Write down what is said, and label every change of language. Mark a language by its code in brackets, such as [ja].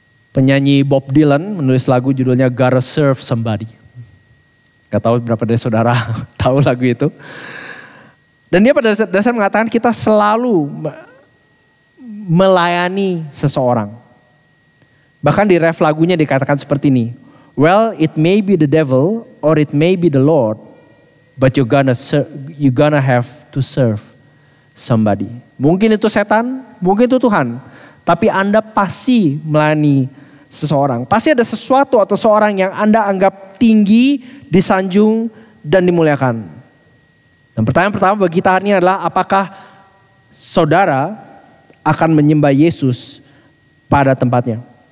[id] Penyanyi Bob Dylan menulis lagu judulnya Gotta Serve Somebody. Gak tahu berapa dari saudara tahu lagu itu. Dan dia pada dasarnya mengatakan kita selalu melayani seseorang. Bahkan di ref lagunya dikatakan seperti ini. [en] Well, it may be the devil or it may be the Lord, but you're gonna have to serve somebody. [id] Mungkin itu setan, mungkin itu Tuhan, tapi Anda pasti melayani seseorang. Pasti ada sesuatu atau seorang yang Anda anggap tinggi, disanjung, dan dimuliakan. Dan pertanyaan pertama bagi kita hari ini adalah, apakah saudara akan menyembah Yesus pada tempatnya?